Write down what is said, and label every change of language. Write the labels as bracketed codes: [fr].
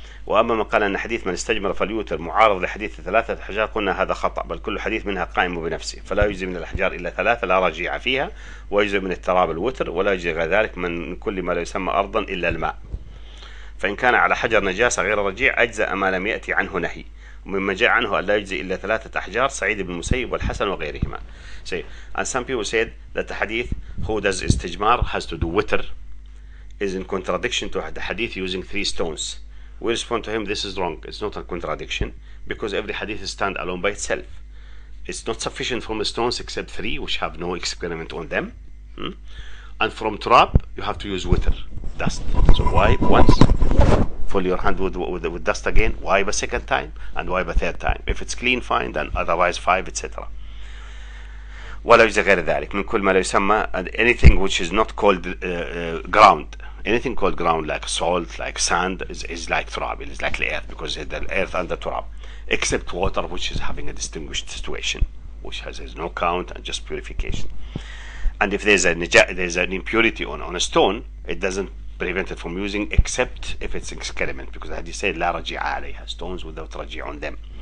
[ar] وأما ما قال أن حديث من استجمر فليوتر معارض لحديث ثلاثة أحجار قلنا هذا خطأ بل كل حديث منها قائم بنفسه فلا يجزي من الأحجار إلا ثلاثة لا رجيع فيها ويجزي من التراب الوتر ولا يجزي غير ذلك من كل ما لا يسمى أرضا إلا الماء. فإن كان على حجر نجاسة غير رجيع أجزأ ما لم يأتي عنه نهي مما جاء عنه أن لا يجزي إلا ثلاثة أحجار سعيد بن المسيب والحسن وغيرهما. [en] Say, and some people said that the hadith who does istijmar has to do witr is in contradiction to the hadith using three stones. We respond to him, this is wrong. It's not a contradiction because every hadith is stand alone by itself. It's not sufficient from the stones except three, which have no experiment on them. And from turab, you have to use witr, dust. So wipe once, fill your hand with dust again, wipe a second time, and wipe a third time. If it's clean, fine, then otherwise five, etc. [ar] ولا يجزي غير ذلك من كل ما لا يسمى [en] anything which is not called ground. Anything called ground like salt, like sand is like turab, is like the earth because the earth and the turab. Except water which is having a distinguished situation which has no count and just purification. And if there's an impurity on a stone, it doesn't prevent it from using except if it's excrement because as you said, [ar] لا رجيع عليها, [en] stones without رجيع on them.